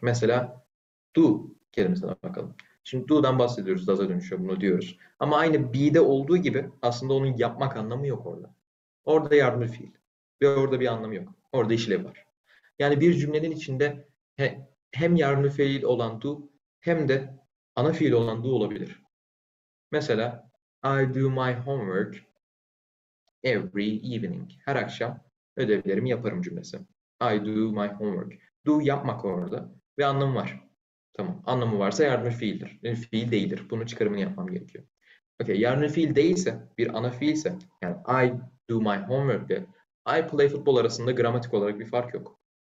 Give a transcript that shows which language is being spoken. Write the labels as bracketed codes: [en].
[tr] Mesela do kelimesine bakalım. Şimdi do'dan bahsediyoruz, does'a dönüşüyor bunu diyoruz. Ama aynı be'de olduğu gibi aslında onun yapmak anlamı yok orada. Orada yardımcı fiil. Ve orada bir anlamı yok. Orada işlev var. Yani bir cümlenin içinde hem yardımcı fiil olan do hem de ana fiil olan do olabilir. [en] Mesela I do my homework every evening. [tr] Her akşam ödevlerimi yaparım cümlesi. [en] I do my homework. [tr] Do yapmak orada ve anlamı var. Tamam. Anlamı varsa yardımcı fiildir. Fiil değildir. Bunun çıkarımını yapmam gerekiyor. Okey. Yardımcı fiil değilse, bir ana fiilse, yani [en] I do my homework [tr] ile [en] I play futbol [tr] arasında gramatik olarak bir fark yok.